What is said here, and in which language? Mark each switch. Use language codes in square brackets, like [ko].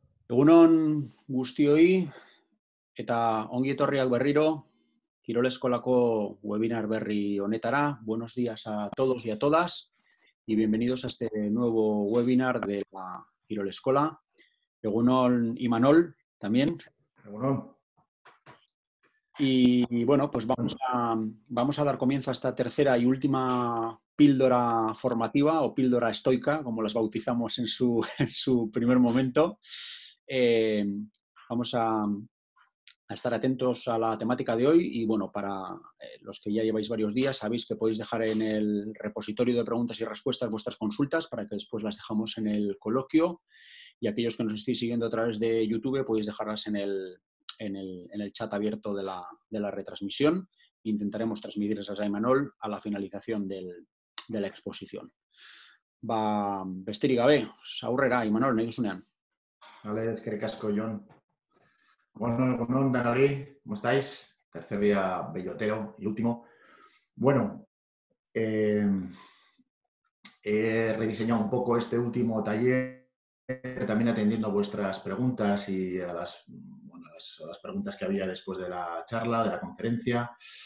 [eu] Egunon guztioi eta ongi etorriak berriro Kirol Eskolako webinar berri honetara. [es] Buenos días a todos y a todas y bienvenidos a este nuevo webinar de la Kirol Escola. [eu] Egunon Imanol también. Egunon. [es] Y bueno, pues vamos a dar comienzo a esta tercera y última píldora formativa o píldora estoica, como las bautizamos en su primer momento. Vamos a estar atentos a la temática de hoy y bueno, para los que ya lleváis varios días sabéis que podéis dejar en el repositorio de preguntas y respuestas vuestras consultas para que después las dejamos en el coloquio, y aquellos que nos estéis siguiendo a través de YouTube podéis dejarlas en el chat abierto de la retransmisión. Intentaremos transmitirlas a Imanol a la finalización de la exposición. [eu] Ba, besterik gabe, aurrera, Imanol, nahi duzunean. [es] Vale, es que casco, John. Bueno, Danari, ¿cómo estáis? Tercer día bellotero y último. Bueno, he rediseñado un poco este último taller, también atendiendo vuestras preguntas y a las preguntas que había después de la charla, de la conferencia.